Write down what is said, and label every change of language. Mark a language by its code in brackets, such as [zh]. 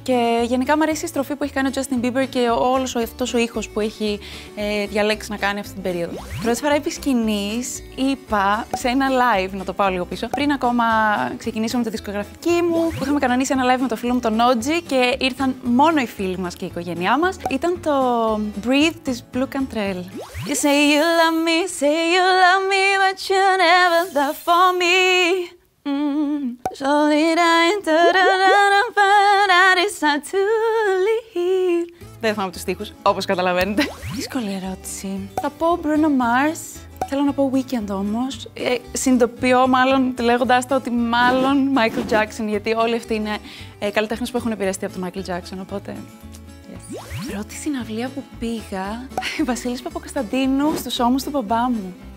[el] Και γενικά μου αρέσει η στροφή που έχει κάνει ο Justin Bieber και όλος αυτός ο ήχος που έχει διαλέξει να κάνει αυτή την περίοδο. Πρώτη φορά επί σκηνής είπα σε ένα live, να το πάω λίγο πίσω, πριν ακόμα ξεκινήσω με τη δισκογραφική μου. Είχαμε κανονίσει ένα live με το φίλο μου τον Νότζι και ήρθαν μόνο οι φίλοι μας και η οικογένειά μας. Ήταν το Breathe της Blue Cantrell. [en] You say you love me, say you love me, but you never die for me. So did I, but I decided to leave. [el] Δεν θυμάμαι τους στίχους, όπως καταλαβαίνετε. Δύσκολη ερώτηση. Θα πω Bruno Mars. Θέλω να πω Weekend όμως. Συνειδητοποιώ μάλλον λέγοντάς το ότι μάλλον Michael Jackson, γιατί όλοι αυτοί είναι καλλιτέχνες που έχουν επηρεαστεί από τον Michael Jackson, οπότε. Πρώτη συναυλία που πήγα, Βασίλης Παπακοσταντίνου στους ώμους του μπαμπά μου.